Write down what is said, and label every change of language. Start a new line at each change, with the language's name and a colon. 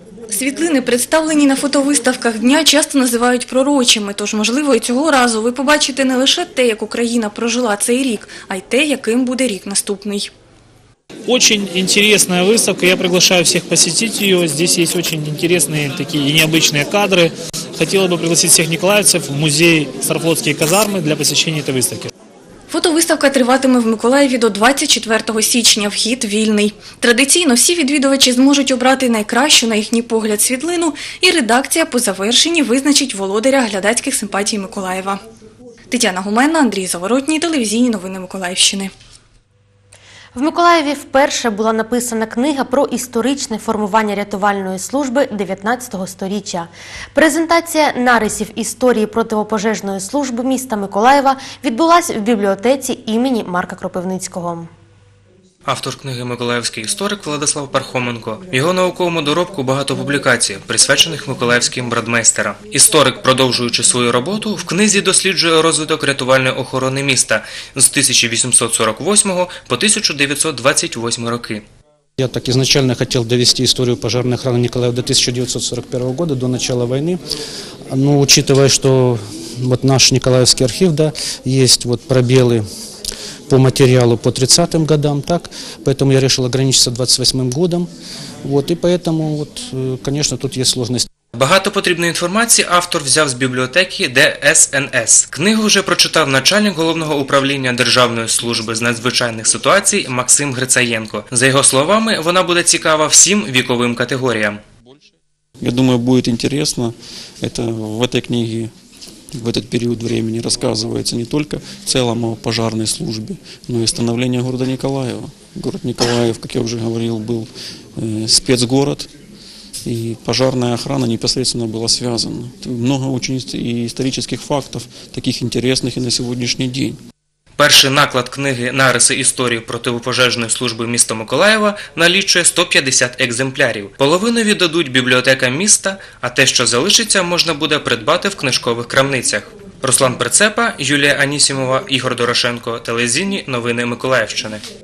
Ukrainian: Світлини, представлені на фотовиставках дня, часто називають пророчими, тож, можливо, і цього разу ви побачите не лише те, як Україна прожила цей рік, а й те, яким буде рік наступний.
Russian: Очень интересная выставка, я приглашаю всех посетить ее. Здесь есть очень интересные такие и необычные кадры. Хотела бы пригласить всех николаевцев в музей Старфлотские казармы для посещения этой выставки.
Ukrainian: Фотовиставка триватиме в Миколаєві до 24 січня. Вхід вільний. Традиційно всі відвідувачі зможуть обрати найкращу, на їхній погляд, світлину, і редакція по завершенні визначить володаря глядацьких симпатій Миколаєва. Тетяна Гуменна, Андрій Заворотній, телевізійні новини Миколаївщини. В Миколаєві вперше була написана книга про історичне формування рятувальної служби 19-го століття. Презентація нарисів історії протипожежної служби міста Миколаєва відбулася в бібліотеці імені Марка Кропивницького. Автор книги – миколаївський історик Владислав Пархоменко. В його науковому доробку багато публікацій, присвячених миколаївським брадмейстерам. Історик, продовжуючи свою роботу, в книзі досліджує розвиток рятувальної охорони міста з 1848 по 1928 роки.
Russian: Я так изначально хотел довести историю пожарной охраны Николаева до 1941 года, до начала войны. Но учитывая, что вот наш Николаевский архив, да, есть вот пробелы по материалу по 30-м годам, так, поэтому я решил ограничиться 28-м годом. Вот, и поэтому, вот, конечно, тут есть сложность.
Ukrainian: Багато потрібної інформації автор взяв з бібліотеки ДСНС. Книгу вже прочитав начальник головного управління Державної служби з надзвичайних ситуацій Максим Грицаєнко. За його словами, вона буде цікава всім віковим категоріям. Я думаю, буде цікаво. Це в цій книзі, в цей період часу розказується не тільки в цілому пожежній службі, але й становлення міста Миколаєва. Міст Миколаїв, як я вже говорив, був спецміст.
Russian: И пожарная охрана непосредственно была связана. Много очень исторических фактов, таких интересных и на сегодняшний день.
Ukrainian: Перший наклад книги «Нариси історії протипожежної служби міста Миколаєва» налічує 150 екземплярів. Половину віддадуть бібліотека міста, а те, що залишиться, можна буде придбати в книжкових крамницях. Руслан Прицепа, Юлія Анісімова, Ігор Дорошенко, телевізійні новини Миколаївщини.